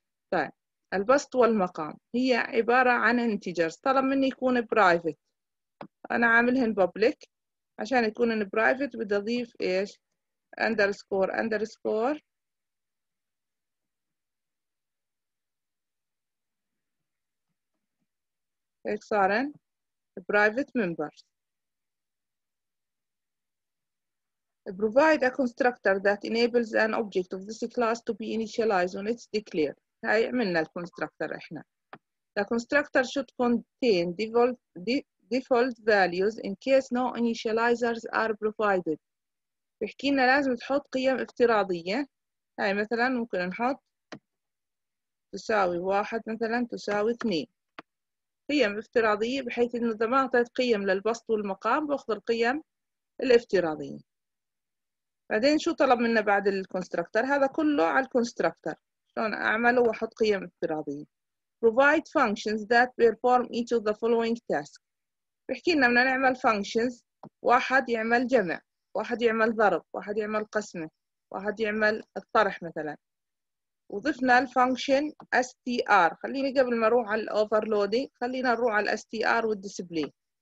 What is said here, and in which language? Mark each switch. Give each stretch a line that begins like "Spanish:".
Arabic: طيب البسط والمقام هي عبارة عن integers، طلب مني يكون private، أنا عاملهن public عشان يكونن private بدي أضيف إيش underscore underscore هيك صارن private members.
English: Provide a constructor that enables an object of this class to be initialized when it's declared.
Arabic: هاي عملنا الكونستراكتر احنا.
English: The constructor should contain default values in case no initializers are provided.
Arabic: بحكي لنا لازم تحط قيم افتراضية. هاي مثلا ممكن نحط تساوي واحد مثلا تساوي اثنين. قيم افتراضية بحيث انه اذا ما اعطيت قيم للبسط والمقام باخذ القيم الافتراضية. بعدين شو طلب منا بعد الكونستراكتر؟ هذا كله على الكونستراكتر. شلون أعمله وأحط قيم افتراضية.
English: Provide functions that perform each of the following tasks.
Arabic: بحكي لنا بدنا نعمل functions، واحد يعمل جمع، واحد يعمل ضرب، واحد يعمل قسمة، واحد يعمل الطرح مثلا. وضفنا الفانكشن str. خليني قبل ما أروح على الأوفرلودينج، خلينا نروح على str والديسبلي.